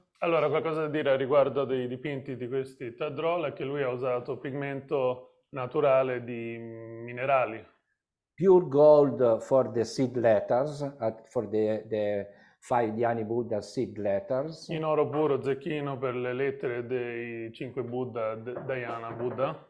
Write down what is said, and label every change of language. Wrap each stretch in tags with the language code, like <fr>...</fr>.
<it>Allora, qualcosa da dire riguardo dei dipinti di questi tadrol è che lui ha usato pigmento naturale di minerali.</it> <en>Pure gold for the seed letters, for the five Dhyani Buddha seed letters.</en> <it>In oro puro zecchino per le lettere dei cinque Buddha, Dhyana Buddha.</it>